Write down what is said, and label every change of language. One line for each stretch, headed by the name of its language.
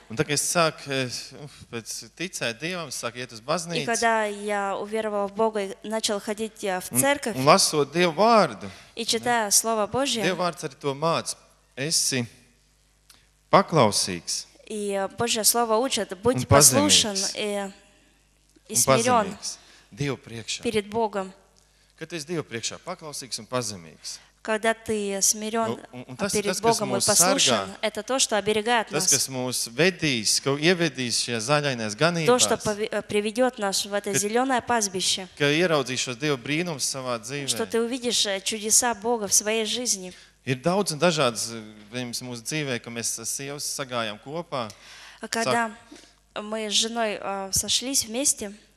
Latvian: Un tā, ka es sāku pēc ticēt Dievam, sāku iet uz baznīcu.
Russian: И когда я уверовал в Бога и начал ходить в церковь.
Latvian: Un lasot Dievu vārdu.
Russian: И читая Слово Божие.
Latvian: Dievu vārds arī to māc. Esi paklausīgs.
Russian: И Божие Слово учит, будь послушен и смирен.
Latvian: Dievu priekšā.
Russian: Перед Богом.
Latvian: Kad tu esi Dievu priekšā paklausīgs un pazemīgs.
Russian: Когда ты смирен перед Богом и послушен, это то, что оберегает нас.
Latvian: Tas, kas mūs vedīs, ka ievedīs šajā zaļainās ganībās.
Russian: То, что приведет нас в это зеленое пастбище.
Latvian: Ka ieraudzīs šos Dievu brīnumus savā dzīvē.
Russian: Что ты увидишь чудеса Бога в своей жизни.
Latvian: Ir daudz un dažādas lietas mūsu dzīvē, ka mēs sievas sagājām kopā.
Russian: Когда мы с женой сошлись вместе,